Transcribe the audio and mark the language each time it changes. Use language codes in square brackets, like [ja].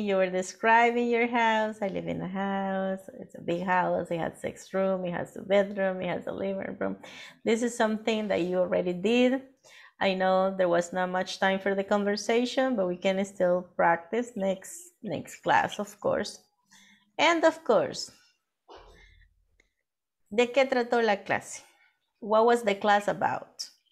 [en] You were describing your house. I live in a house. It's a big house. It has six rooms. It has a bedroom. It has a living room. This is something that you already did. I know there was not much time for the conversation, but we can still practice next class, of course. And of course, [es] ¿de qué trató la clase? [en] What was the class about?